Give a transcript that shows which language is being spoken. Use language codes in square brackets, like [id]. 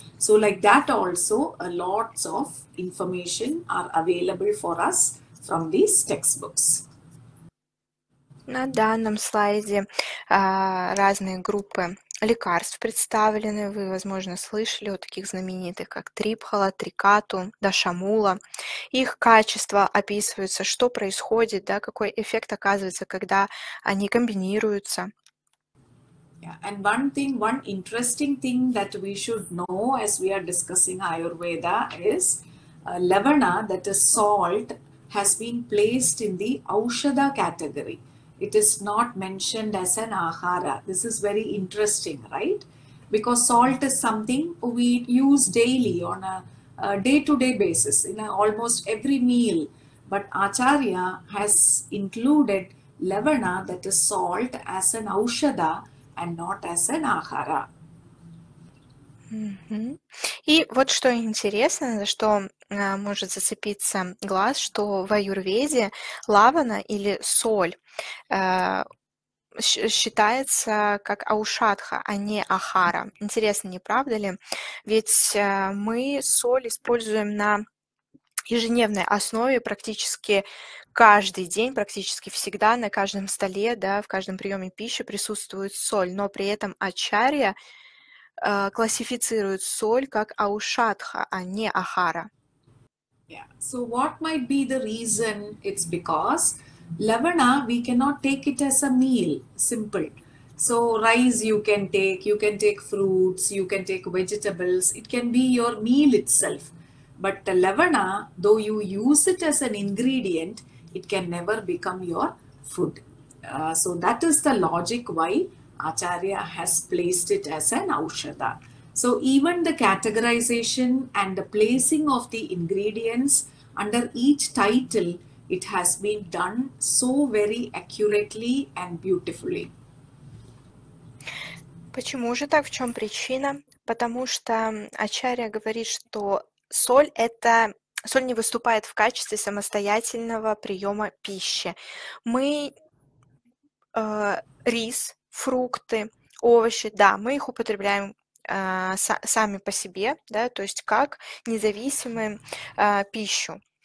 [en] So like that also, lots of information are available for us from these textbooks. [ru] На данном слайде разные группы лекарств представлены. Вы, возможно, слышали о таких знаменитых, как Трипхала, Трикату, Дашамула. Их качество описывается, что происходит, да, какой эффект оказывается, когда они комбинируются. Yeah. [en] And one thing, one interesting thing that we should know as we are discussing Ayurveda is Lavana, that is salt, has been placed in the Aushadha category. It is not mentioned as an ahara. This is very interesting, right? Because salt is something we use daily on a day-to-day basis, in almost every meal. But Acharya has included lavana, that is salt, as an aushadha and not as an ahara. [ru] И вот что интересно, за что может зацепиться глаз, что в аюрведе лавана или соль считается как аушадха, а не ахара. Интересно, не правда ли? Ведь мы соль используем на ежедневной основе практически каждый день, практически всегда на каждом столе, да, в каждом приеме пищи присутствует соль, но при этом ачарья классифицируют соль как аушадха, а не ахара. [en] Yeah. So what might be the reason? It's because lavana, we cannot take it as a meal, simple. So rice you can take fruits, you can take vegetables, it can be your meal itself. But the lavana, though you use it as an ingredient, it can never become your food. So that is the logic why Acharya has placed it as an aushadha. So even the categorization and the placing of the ingredients under each title, it has been done so very accurately and beautifully. [ru] Почему же так? В чем причина? Потому что Ачарья говорит, что Соль не выступает в качестве самостоятельного приема пищи. Мы рис, фрукты, овощи, да, мы их употребляем сами по себе, да, то есть как независимую пищу.